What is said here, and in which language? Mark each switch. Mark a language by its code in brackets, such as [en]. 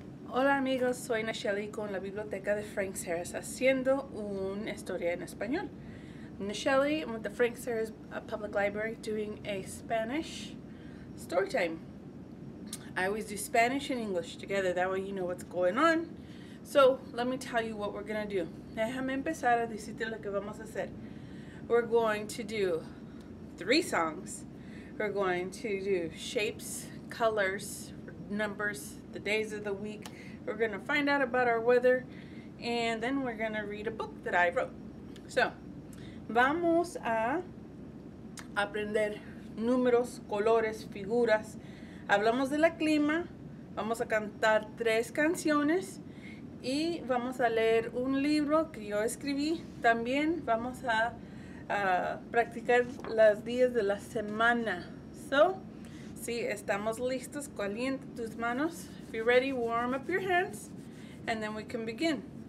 [es] Hola amigos, soy Nachelle con la Biblioteca de Frank's Harris haciendo una historia en español. [en] Nachelle, I'm with the Frank's Harris Public Library doing a Spanish story time. I always do Spanish and English together, that way you know what's going on. So, let me tell you what we're going to do. [es] Déjame empezar a decirte lo que vamos a hacer. [en] We're going to do three songs. We're going to do shapes, colors, numbers, the days of the week. We're going to find out about our weather, and then we're going to read a book that I wrote. [es] So, vamos a aprender números, colores, figuras. Hablamos de la clima. Vamos a cantar tres canciones. Y vamos a leer un libro que yo escribí. También vamos a practicar los días de la semana. So, sí, estamos listos. Caliente tus manos. [en] If you're ready, warm up your hands, and then we can begin.